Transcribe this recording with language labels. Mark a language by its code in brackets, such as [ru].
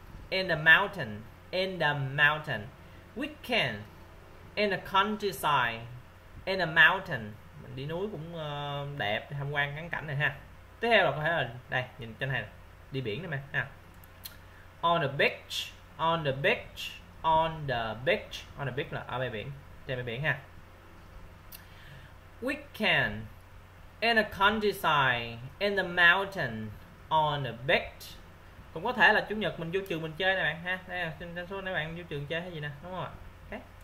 [en] In the mountain. Weekend in the countryside in the mountain. [vi] Mình đi núi cũng đẹp, tham quan ngắm cảnh này ha. Tiếp theo là có thể là đây, nhìn trên này, đi biển này mà ha. [en] On the beach [vi] là ở bãi biển, trên bãi biển ha. [en] Weekend in the countryside in the mountain on the beach. [vi] Cũng có thể là chủ nhật mình vô trường mình chơi nè bạn ha. Đây là trên số này bạn vô trường chơi hay gì nè, đúng không ạ? Ok.